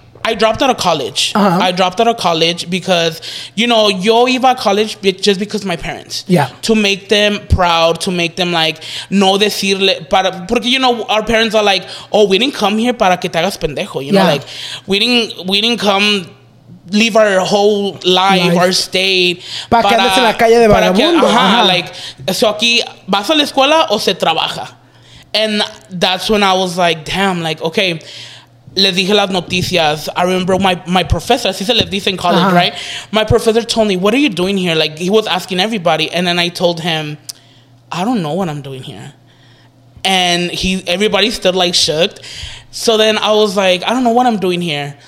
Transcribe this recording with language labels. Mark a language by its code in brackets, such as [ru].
[en] I dropped out of college. Uh-huh. I dropped out of college because, you know, [es] yo iba a [en] college just because my parents. Yeah. To make them proud, to make them like, [es] no decirle, para, porque, [en] you know, our parents are like, oh, we didn't come here [es] para que te hagas pendejo. [en] You know, like, we didn't come, leave our whole life, our state. [es] Para que andes en la calle de vagabundo. Ajá, uh-huh. Like, so aquí, ¿vas a la escuela o se trabaja? [en] And that's when I was like, damn, like, okay. [es] Les dije las noticias. [en] I remember my professor, [es] así se les dice [en] in college, uh-huh. right? My professor told me, what are you doing here? Like, he was asking everybody. And then I told him, I don't know what I'm doing here. And everybody stood like shook. So then I was like, I don't know what I'm doing here.